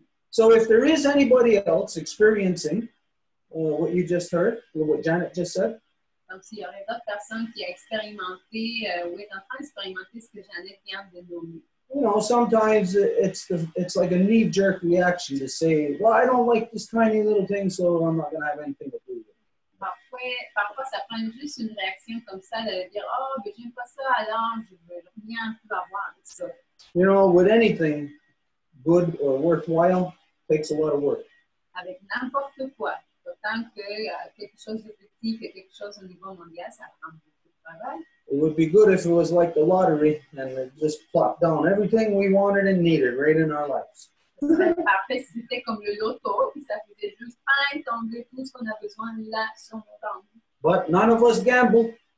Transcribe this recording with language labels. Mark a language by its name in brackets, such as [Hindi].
[English] So if there is anybody else experiencing what you just heard, what Janet just said, you know, sometimes it's like a knee-jerk reaction to say, well, I don't like this tiny little thing, so I'm not going to have anything to do. [French] Parfois, ça prend juste une réaction comme ça de dire, oh, mais j'aime pas ça, alors je veux [English] You know, with anything good or worthwhile, takes a lot of work. [French] Avec n'importe quoi, autant que quelque chose de petit que quelque chose au niveau mondial, ça prend beaucoup de travail. [English] It would be good if it was like the lottery and it just plopped down everything we wanted and needed right in our lives. But none of us gamble.